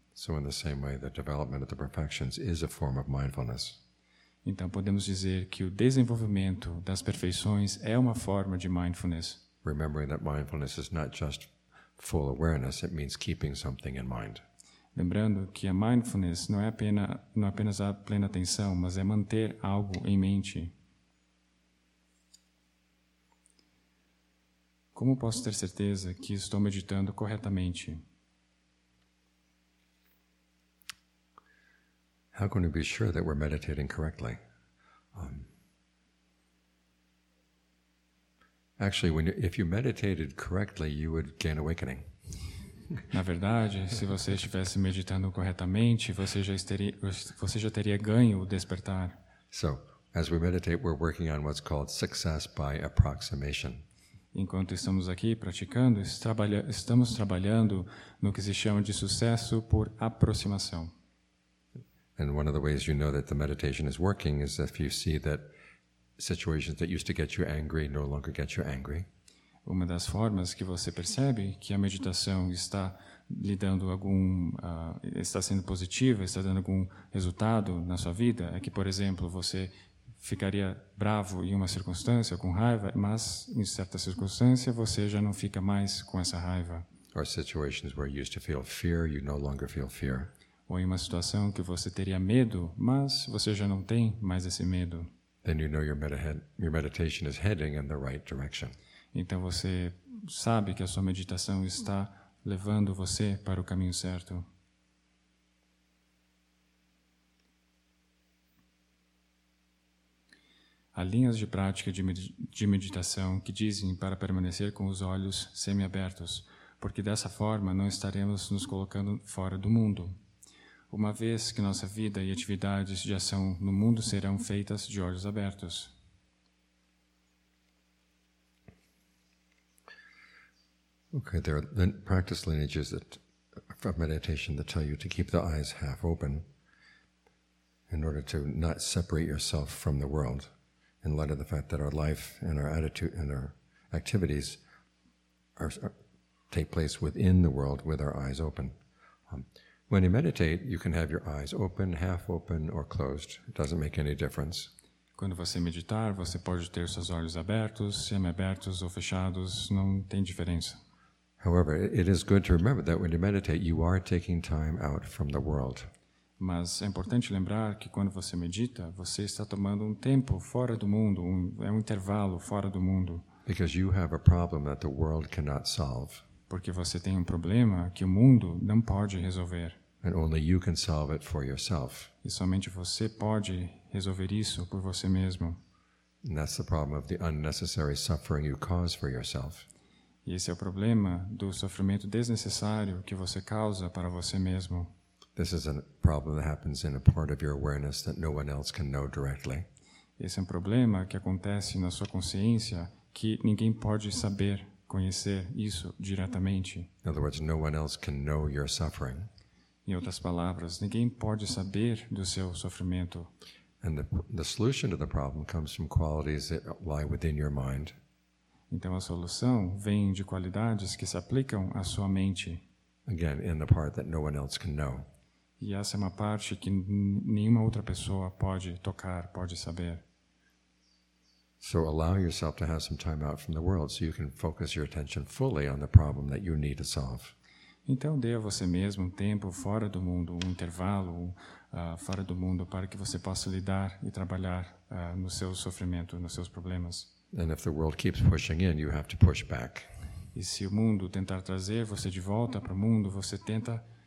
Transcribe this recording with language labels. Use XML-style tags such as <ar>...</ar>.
<en>So in the same way, the development of the perfections is a form of mindfulness.</en> <pt>Então podemos dizer que o desenvolvimento das perfeições é uma forma de mindfulness.</pt> <en>Remembering that mindfulness is not just full awareness, it means keeping something in mind.</en> <pt>Lembrando que a mindfulness não é apenas a plena atenção, mas é manter algo em mente. Como posso ter certeza que estou meditando corretamente?</pt> <en>How can we be sure that we're meditating correctly? Actually, if you meditated correctly, you would gain awakening.</en> <pt>Na verdade, se você estivesse meditando corretamente, você já teria ganho o despertar.</pt> <en>So, as we meditate, we're working on what's called success by approximation.</en> <pt>Enquanto estamos aqui praticando, estamos trabalhando no que se chama de sucesso por aproximação.</pt> <en>And one of the ways you know that the meditation is working is if you see that situations that used to get you angry no longer get you angry.</en> <pt>Uma das formas que você percebe que a meditação está lhe dando está sendo positiva, está dando algum resultado na sua vida, é que, por exemplo, você ficaria bravo em uma circunstância, com raiva, mas em certa circunstância você já não fica mais com essa raiva.</pt> <en>Or situations where you used to feel fear, you no longer feel fear.</en> <pt>Ou em uma situação que você teria medo, mas você já não tem mais esse medo.</pt> <en>Then you know your meditation is heading in the right direction.</en> <pt>Então você sabe que a sua meditação está levando você para o caminho certo. Há linhas de prática de meditação que dizem para permanecer com os olhos semiabertos, porque dessa forma não estaremos nos colocando fora do mundo. Uma vez que nossa vida e atividades de ação no mundo serão feitas de olhos abertos.</pt> <en>Okay, there are practice lineages of meditation that tell you to keep the eyes half open in order to not separate yourself from the world in light of the fact that our life and our attitude and our activities take place within the world with our eyes open. When you meditate, you can have your eyes open, half open, or closed. It doesn't make any difference.</en> <pt>Quando você meditar, você pode ter seus olhos abertos, semiabertos ou fechados. Não tem diferença.</pt> <en>However, it is good to remember that when you meditate, you are taking time out from the world.</en> <pt>Mas é importante lembrar que quando você medita, você está tomando um tempo fora do mundo, é um intervalo fora do mundo.</pt> <en>Because you have a problem that the world cannot solve.</en> <pt>Porque você tem um problema que o mundo não pode resolver.</pt> <en>And only you can solve it for yourself.</en> <pt>E somente você pode resolver isso por você mesmo.</pt> <en>And that's the problem of the unnecessary suffering you cause for yourself.</en> <pt>E esse é o problema do sofrimento desnecessário que você causa para você mesmo.</pt> <en>This is a problem that happens in a part of your awareness that no one else can know directly.</en> <pt>Esse é um problema que acontece na sua consciência que ninguém pode saber. Conhecer isso diretamente.</pt> <en>In other words, no one else can know your suffering.</en> <pt>Em outras palavras, ninguém pode saber do seu sofrimento.</pt> <en>And the solution to the problem comes from qualities that lie within your mind.</en> <pt>Então a solução vem de qualidades que se aplicam à sua mente.</pt> <en>Again, in the part that no one else can know.</en> <pt>E essa é uma parte que nenhuma outra pessoa pode tocar, pode saber.</pt> <en>So allow yourself to have some time out from the world so you can focus your attention fully on the problem that you need to solve.</en> <pt>Então dê a você mesmo tempo fora do mundo, intervalo fora do mundo para que você possa lidar e trabalhar no seu sofrimento, nos seus problemas.</pt> <en>And if the world keeps pushing in, you have to push back.</en> <pt>E se o mundo tentar trazer você de volta para o mundo, você tenta</pt>